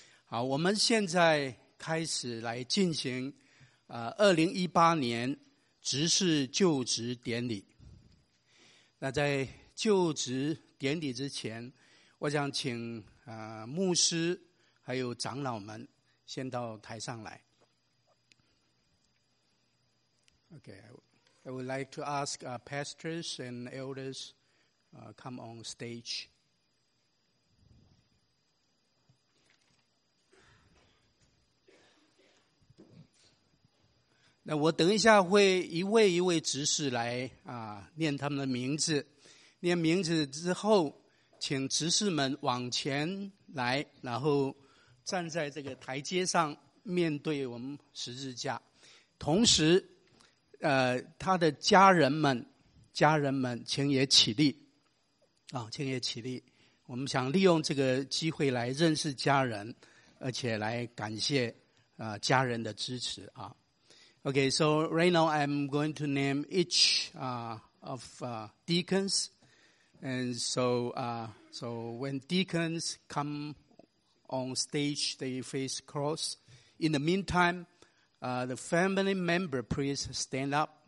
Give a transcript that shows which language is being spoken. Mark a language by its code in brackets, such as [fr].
[zh] 好，我们现在开始来进行2018年执事就职典礼。那在就职典礼之前，我想请牧师还有长老们先到台上来。 [en] Okay, I would like to ask pastors and elders come on stage. Now, [zh] 我等一下会一位一位执事来念他们的名字。念名字之后，请执事们往前来，然后站在这个台阶上面对我们十字架，同时。他的家人们请也起立啊，请也起立，我们想利用这个机会来认识家人，而且来感谢家人的支持啊。 [en] Okay, so right now I'm going to name each of deacons, and so when deacons come on stage, they face cross. In the meantime,the family member, please stand up.